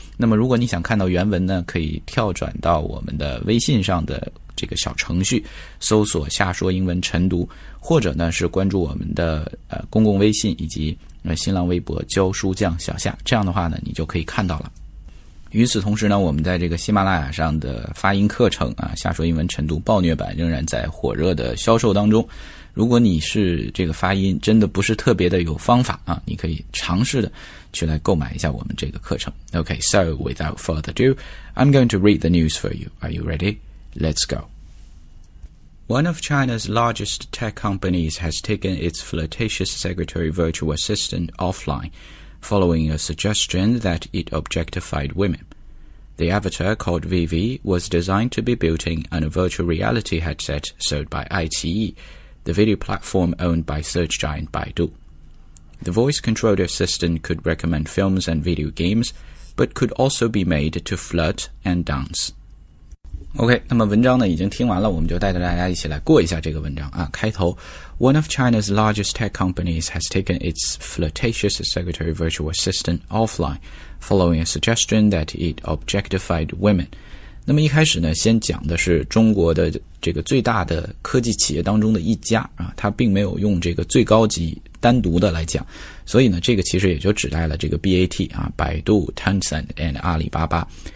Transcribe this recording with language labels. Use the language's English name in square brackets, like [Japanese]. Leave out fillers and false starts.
[Chinese] 那么如果你想看到原文呢，可以跳转到我们的微信上的这个小程序，搜索下说英文晨读，或者呢是关注我们的公共微信以及新浪微博教书匠小夏，这样的话呢你就可以看到了。与此同时呢，我们在这个喜马拉雅上的发音课程啊，下说英文晨读暴虐版仍然在火热的销售当中。如果你是这个发音真的不是特别的有方法啊，你可以尝试的去来购买一下我们这个课程。 [English] OK, so without further ado, I'm going to read the news for you. Are you ready? Let's go. One of China's largest tech companies has taken its flirtatious secretary virtual assistant offline following a suggestion that it objectified women. The avatar called Vivi was designed to be built in on a virtual reality headset sold by iQIYI,the video platform owned by search giant Baidu. The voice-controlled assistant could recommend films and video games, but could also be made to flirt and dance. [Chinese] OK, 那么文章呢已经听完了，我们就带着大家一起来过一下这个文章啊。开头 [English] ,One of China's largest tech companies has taken its flirtatious secretary virtual assistant offline, following a suggestion that it objectified women. [Chinese] 那么一开始呢，先讲的是中国的这个最大的科技企业当中的一家啊，它并没有用这个最高级单独的来讲，所以呢，这个其实也就指代了这个 BAT 啊，百度、Tencent and 阿里巴巴。